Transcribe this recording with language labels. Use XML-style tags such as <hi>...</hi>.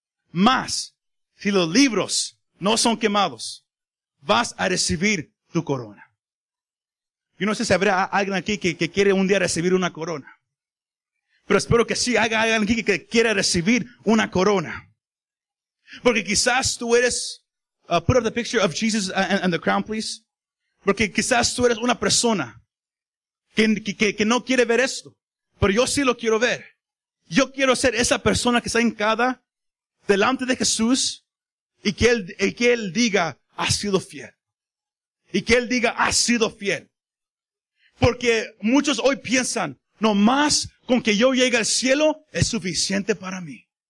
<es>Más, si los libros no son quemados, vas a recibir tu corona. Yo no sé si habrá alguien aquí que quiere un día recibir una corona. Pero espero que sí haya alguien aquí que quiera recibir una corona. Porque quizás tú eres,</es> <en>put up the picture of Jesus and the crown, please.</en> <es>Porque quizás tú eres una persona que no quiere ver esto. Pero yo sí lo quiero ver. Yo quiero ser esa persona que está hincada delante de Jesús y que él diga, ha sido fiel. Y que él diga, ha sido fiel. Porque muchos hoy piensan, nomás con que yo llegue al cielo, es suficiente para mí.</es>